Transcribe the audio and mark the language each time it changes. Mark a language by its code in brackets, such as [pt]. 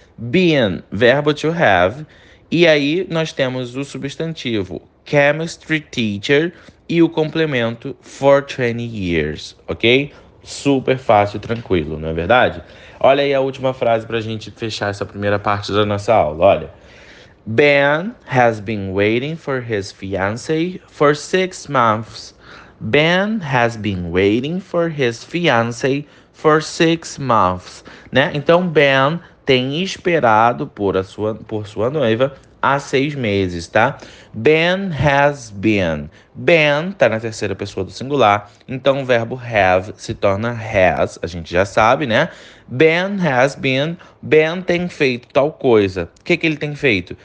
[pt] Been, verbo to have. E aí nós temos o substantivo chemistry teacher e o complemento [en] for 20 years, [pt] ok? Super fácil e tranquilo, não é verdade? Olha aí a última frase para a gente fechar essa primeira parte da nossa aula. Olha. [en] Ben has been waiting for his fiancée for 6 months. Ben has been waiting for his fiancée for 6 months. [pt] Né? Então, Ben tem esperado por sua noiva há 6 meses, tá? [en] Ben has been. [pt] Ben tá na terceira pessoa do singular, então o verbo have se torna has, a gente já sabe, né? [en] Ben has been. [pt] Ben tem feito tal coisa. O que que ele tem feito?